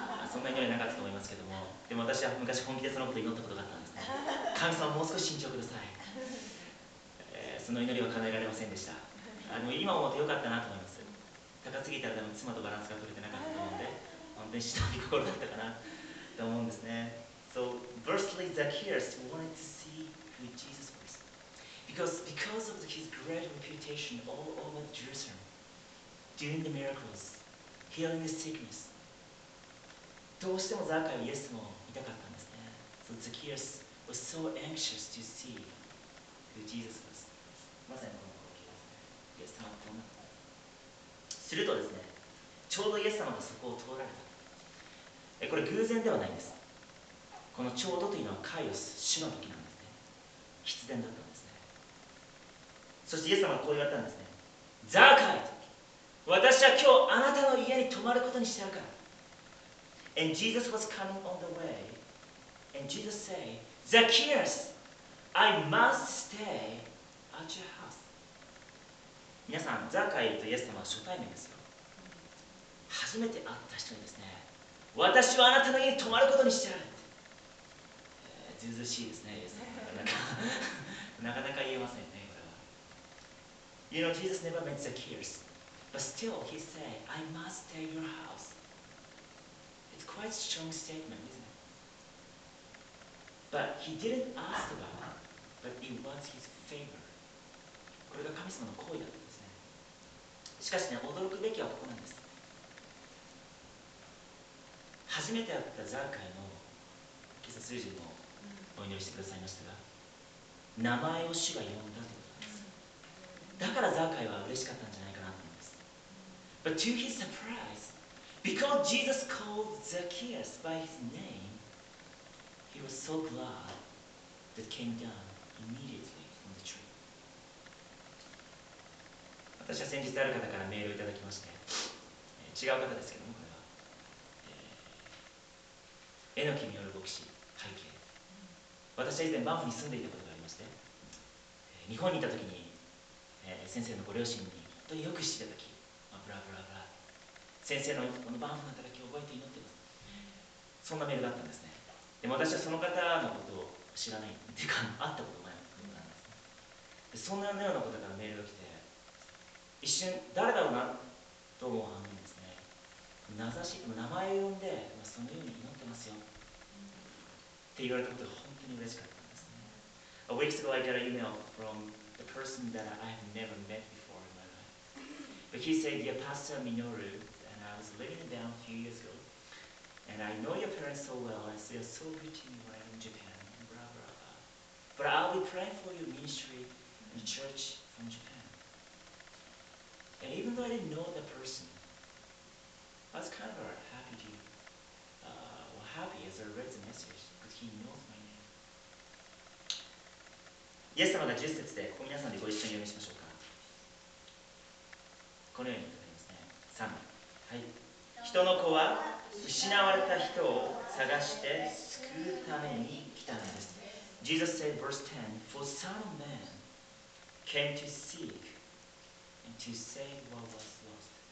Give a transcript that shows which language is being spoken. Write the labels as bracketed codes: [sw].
[ja] そんな祈りなかったと思いますけども、でも私は昔本気でそのことを祈ったことがあったんですね。神様、もう少し身長ください。その祈りは叶えられませんでした。今思ってよかったなと思います。高すぎたら多分妻とバランスが取れてなかったと思うんで、本当に忍び心だったかなと思うんですね。 [en] So, firstly, Zacchaeus wanted to see who Jesus was. Because of his great reputation all over Jerusalem, doing the miracles, healing the sickness. [ja] どうしてもザカイはイエス様を見たかったんですね。 [en] So Zacchaeus was so anxious to see who Jesus was. [ja] まさにこの光景ですね。イエス様ってどんな方だ。するとですね、ちょうどイエス様がそこを通られた。これ偶然ではないんです。このちょうどというのはカイオス、主の時なんですね。必然だった。そしてイエス様はこう言われたんですね。ザカイ、私は今日あなたの家に泊まることにしてあるから。 [en] And Jesus was coming on the way. And Jesus said, Zacchaeus, I must stay at your house. [ja] 皆さん、ザカイとイエス様は初対面ですよ。初めて会った人にですね、私はあなたの家に泊まることにしてある。ずうずうしいですね、イエス様。なかなか言えませんね。 [en] You know, Jesus never met Zacchaeus, but still he said, I must stay in your house. It's quite a strong statement, isn't it? But he didn't ask about it, but it was his favor. [ja] これが神様の行為だったんですね。しかしね、驚くべきはここなんです。初めて会ったザーカイの今朝数字もお祈りしてくださいましたが、名前を主が呼んだと。だからザーカイは嬉しかったんじゃないかなと思います。 [en] But to his surprise, because Jesus called Zacchaeus by his name, he was so glad that came down immediately from the tree. [ja] 私は先日ある方からメールをいただきまして、違う方ですけども、これは。えのきによる牧師、拝啓。私は以前、バンフに住んでいたことがありまして、日本にいたときに、先生のご両親に本当によく知っていただき、ブラブラブラ、先生のこのバンフの働きを覚えて祈っています。そんなメールだったんですね。でも私はその方のことを知らないっていうか、会ったこともないことなんです、ね、でそんなようなことからメールが来て、一瞬誰だろうなと思う反面ですね、名指し、名前を呼んで、まあ、そのように祈ってますよって言われたことが本当に嬉しかったんですね。 [en] A week ago I got an email from the person that I have never met before in my life. But he said, "Yeah, Pastor Minoru, and I was living down a few years ago. And I know your parents so well. I see you're so good to me when I'm in Japan, and blah, blah, blah. But I'll be praying for your ministry in the church from Japan." And even though I didn't know the person, I was kind of happy to, happy as I read the message, because he knows my name. [ja] イエス様が十節で、ここ皆さんでご一緒に読みしましょうか。このように書いてありますね。3番。はい。人の子は失われた人を探して救うために来たのです。 [en] Jesus said, verse 10, For Son of Man came to seek and to save what was lost.